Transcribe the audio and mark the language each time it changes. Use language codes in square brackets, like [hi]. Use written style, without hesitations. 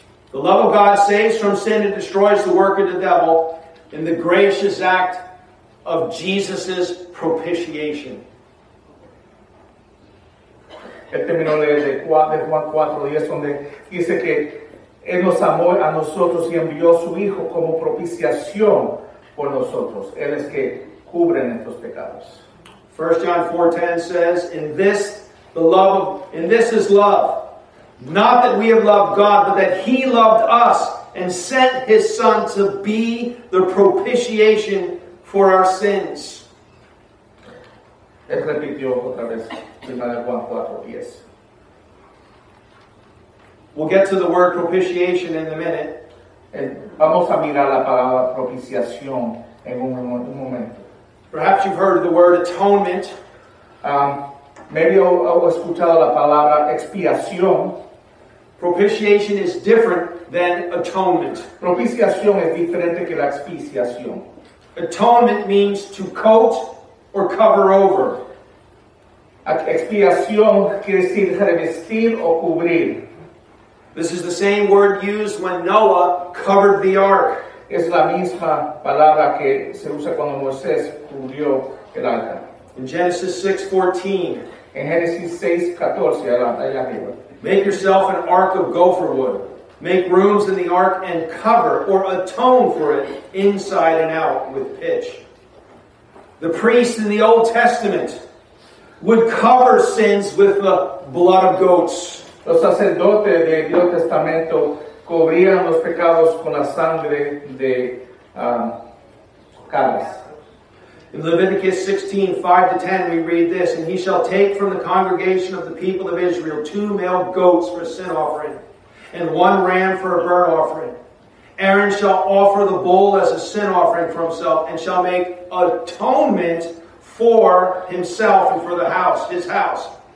[en] The love of God saves from sin and destroys the work of the devil in the gracious act of Jesus' propitiation. [es] El término de Juan 4:10, donde dice que Él nos amó a nosotros y envió a su Hijo como propiciación por nosotros. Él es que cubre nuestros pecados. [en] 1 John 4:10 says, In this is love. Not that we have loved God, but that he loved us and sent his Son to be the propitiation for our sins. [es] Él repitió otra vez, Juan 4:10. [en] We'll get to the word propitiation in a minute. [es] Vamos a mirar la palabra propiciación en un momento. [en] Perhaps you've heard of the word atonement. Maybe [es] he escuchado la palabra expiación. [en] Propitiation is different than atonement. [es] Propiciación es diferente que la expiación. [en] Atonement means to coat or cover over. [es] Expiación quiere decir revestir o cubrir. [en] This is the same word used when Noah covered the ark. [es] Es la misma palabra que se usa cuando Moisés cubrió el arca. [en] In Genesis 6:14. [es] En Génesis 6:14, allá arriba. [en] Make yourself an ark of gopher wood. Make rooms in the ark and cover or atone for it inside and out with pitch. The priests in the Old Testament would cover sins with the blood of goats. [es] Los sacerdotes del Viejo Testamento cubrían los pecados con la sangre de cabras. [en] In Leviticus 16:5 to 10, we read this: "And he shall take from the congregation of the people of Israel two male goats for a sin offering, and one ram for a burnt offering. Aaron shall offer the bull as a sin offering for himself, and shall make atonement for himself and for the house, his house.